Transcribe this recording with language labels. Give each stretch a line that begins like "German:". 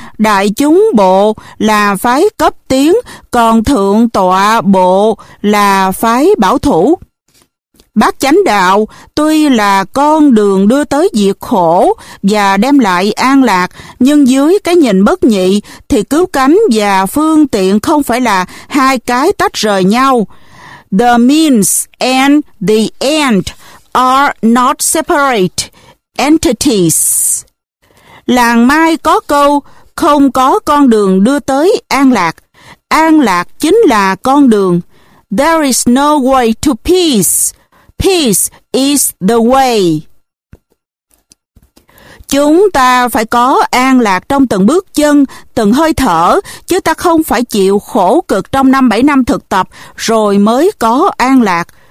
Vietnamese: Đại Chúng Bộ là phái cấp tiến, còn Thượng Tọa Bộ là phái bảo thủ. Bát Chánh Đạo tuy là con đường đưa tới diệt khổ và đem lại an lạc, nhưng dưới cái nhìn bất nhị thì cứu cánh và phương tiện không phải là hai cái tách rời nhau.
English: The means and the end are not separate entities.
Vietnamese: Làng Mai có câu, không có con đường đưa tới an lạc. An lạc chính là con đường.
English: There is no way to peace. Peace is the way.
Vietnamese: Chúng ta phải có an lạc trong từng bước chân, từng hơi thở, chứ ta không phải chịu khổ cực trong 5-7 năm thực tập rồi mới có an lạc.